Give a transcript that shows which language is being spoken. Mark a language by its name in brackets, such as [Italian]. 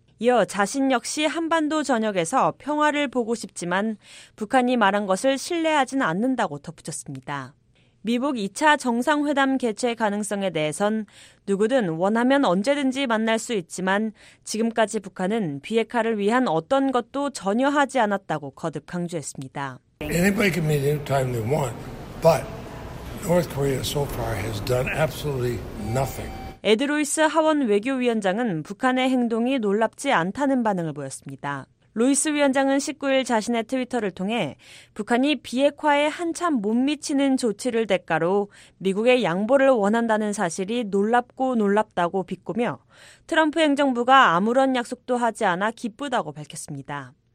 [Korean] 이어 자신 역시 한반도 전역에서 평화를 보고 싶지만 북한이 말한 것을 신뢰하진 않는다고 덧붙였습니다. 미북 2차 정상회담 개최 가능성에 대해선 누구든 원하면 언제든지 만날 수 있지만 지금까지 북한은 비핵화를 위한 어떤 것도 전혀 하지 않았다고 거듭 강조했습니다. [English] Anybody can meet any time they want, but North Korea so far has done absolutely nothing. [Korean] 에드로이스 하원 외교위원장은 북한의 행동이 놀랍지 않다는 반응을 보였습니다. 로이스 위원장은 19일 자신의 트위터를 통해 북한이 비핵화에 한참 못 미치는 조치를 대가로 미국의 양보를 원한다는 사실이 놀랍고 놀랍다고 비꼬며 트럼프 행정부가 아무런 약속도 하지 않아 기쁘다고 밝혔습니다.